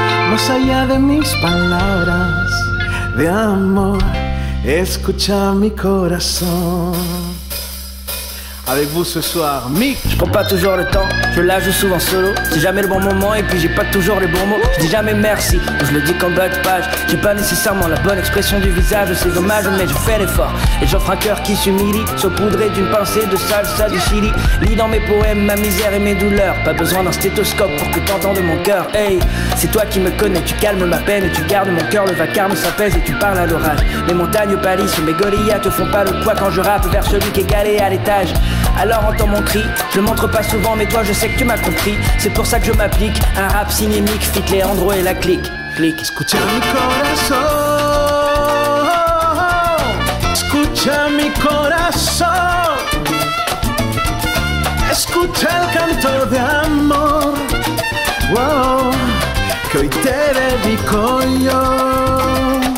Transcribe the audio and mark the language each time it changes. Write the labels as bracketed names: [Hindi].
[Spanish] Más allá de mis palabras de amor, escucha mi corazón. [French] Avec vous ce soir, Mick. Je prends pas toujours le temps, je la joue souvent solo. C'est jamais le bon moment et puis j'ai pas toujours les bons mots. Je dis jamais merci, je le dis qu'en bas de page. J'ai pas nécessairement la bonne expression du visage. C'est dommage mais je fais l'effort et j'offre un cœur qui s'humilie, saupoudré d'une pincée de salsa du chili. Lis dans mes poèmes ma misère et mes douleurs. Pas besoin d'un stéthoscope pour que t'entendes mon cœur. Hey, c'est toi qui me connais, tu calmes ma peine et tu gardes mon cœur. Le vacarme s'apaise et tu parles à l'orage. Les montagnes pâlissent, mes gorillas te font pas le poids quand je rappe vers celui qui est galé à l'étage. Alors entends mon cri, je le montre pas souvent, mais toi je sais que tu m'as compris. C'est pour ça que je m'applique, un rap cinémique, fit Leandro et la clique, clique. [Spanish] Escucha mi corazón, escucha mi corazón, escucha el canto de amor, wow, que hoy te dedico yo.